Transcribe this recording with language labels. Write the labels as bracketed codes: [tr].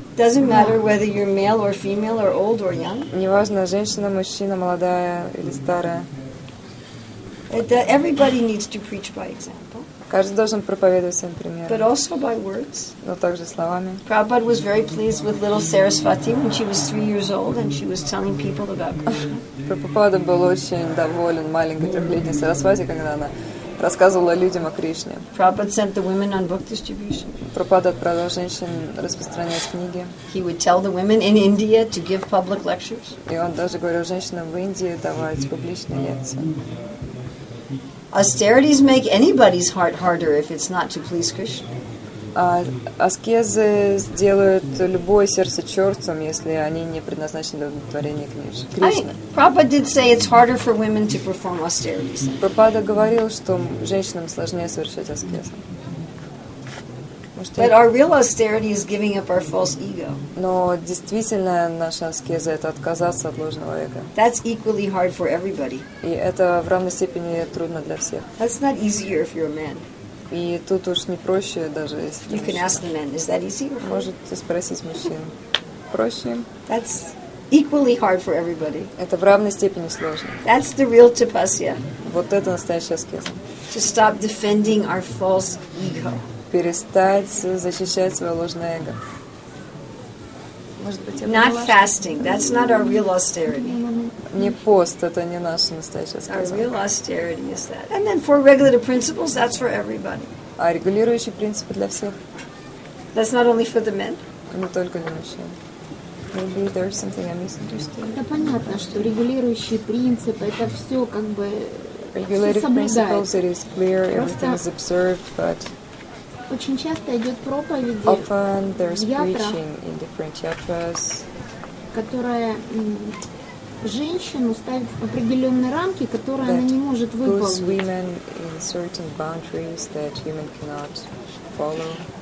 [en] Doesn't matter whether you're male or female or old or young. [ru] Неважно, женщина, мужчина, молодая или старая. [en] Everybody needs to preach by example. [ru] Каждый должен проповедовать своим примером. [en] But also by words. [ru] Но также словами. [en] Prabhupada was very pleased with little Sarasvati when she was 3 years old and she was telling people about Krishna. [ru] Прабхупада был очень доволен маленькой трехлетней Сарасвати, когда она рассказывала людям о Кришне. [en] Prabhupada sent the women on book distribution. [ru] Прабхупада отправил женщин распространять книги. [en] He would tell the women in India to give public lectures. [ru] И он даже говорил женщинам в Индии давать публичные лекции. [en] Austerities make anybody's heart harder if it's not to please Krishna. [ru] Аскезы сделают любое сердце черствым, если они не предназначены для удовлетворения Кришны. [en] Prabhupada did say it's harder for women to perform austerities. [ru] Прабхупада говорил, что женщинам сложнее совершать аскезы. [en] But our real austerity is giving up our false ego. [ru] Но действительно наша аскеза – это отказаться от ложного эго. [en] That's equally hard for everybody. [ru] И это в равной степени трудно для всех. [en] That's not easier if you're a man. [ru] И тут уж не проще даже, если [en] you can ask the men, is that easy? [ru] Можете спросить мужчин. Проще. [en] That's equally hard for everybody. [ru] Это в равной степени сложно. [en] That's the real tapasya. [ru] Вот это настоящая аскеза. [en] To stop defending our false ego. [ru] Перестать защищать свое ложное эго. Может быть, [en] not fasting. That's not our real austerity. [ru] Не пост, это не наша настоящая аскеза. [en] Our real austerity is that. And then four regulative principles, that's for everybody. [ru] А регулирующие принципы для всех? [en] That's not only for the men. [ru] Не только для мужчин. [en] Maybe there's something I'm misunderstanding. [ru] Это понятно, что регулирующие принципы, это все как бы [en] regulative principles, it is clear, everything is observed, but [ru] очень часто идет проповедь. [en] Often there's preaching in different yatras, [ru] которая женщину ставит в определенные рамки, которые она не может выполнить. [en] Puts women in certain boundaries that women cannot follow.